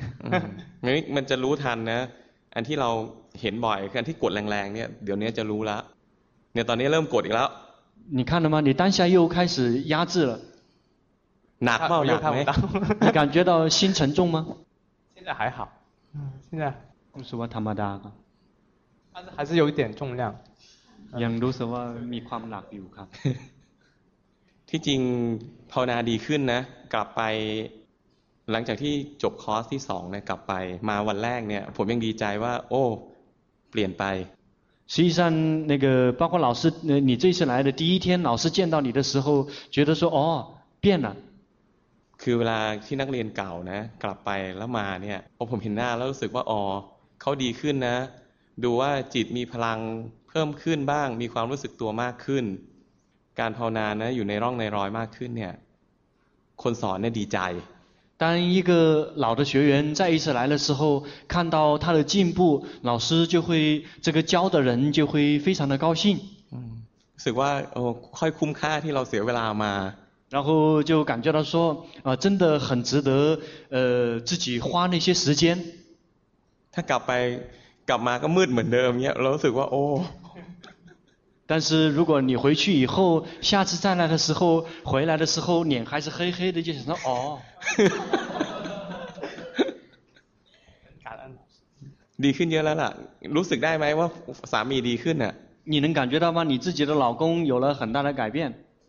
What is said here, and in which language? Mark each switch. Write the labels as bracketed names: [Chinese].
[Thai] มันจะรู้ทันนะอันที่เราเห็นบ่อยคืออันที่กดแรงๆเนี่ยเดี๋ยวนี้จะรู้แล้วเนี่ยตอนนี้เริ่มกดอีกแล้ว [Chinese] 你看了吗你当下又开始压制了 [Thai] หนักเปล่าหนักไ [Chinese] หม你感觉到心沉重吗现在还好现在 [Thai] รู้สึกว่าธรรมดาครับ [Chinese] 但是还是有一点重量 [Thai] ยังรู้สึกว่ามีความหนักอยู่ครับ ที่จริงภาวนาดีขึ้นนะกลับไปหลังจากที่จบคอร์สที่สองเนี่ยกลับไปมาวันแรกเนี่ยผมยังดีใจว่าโอ้เปลี่ยนไป [Chinese] 实际上那个包括老师你这次来的第一天老师见到你的时候觉得说哦变了 [Thai] คือเวลาที่นักเรียนเก่านะกลับไปแล้วมาเนี่ยพอผมเห็นหน้าแล้วรู้สึกว่าอ๋อเขาดีขึ้นนะดูว่าจิตมีพลังเพิ่มขึ้นบ้างมีความรู้สึกตัวมากขึ้นการภาวนานะอยู่ในร่องในรอยมากขึ้นเนี่ยคนสอนเนี่ยดีใจ [Chinese] 当一个老的学员再一次来的时候看到他的进步老师就会这个教的人就会非常的高兴 [Thai] รู้สึกว่าโอ้ค่อยคุ้มค่าที่เราเสียเวลามา [Chinese] 然后就感觉到说真的很值得自己花那些时间 [Thai] ถ้ากลับไปกลับมาก็มืดเหมือนเดิมเนี่ยเรารู้สึกว่าโอ้ [Chinese] 但是如果你回去以后下次再来的时候回来的时候脸还是黑黑的就想说哦 [Thai] ดีขึ้นเยอะแล้วล่ะรู้สึกได้ไหมว่าสามีดีขึ้นน่ะ [Chinese] 你能感觉到吗你自己的老公有了很大的改变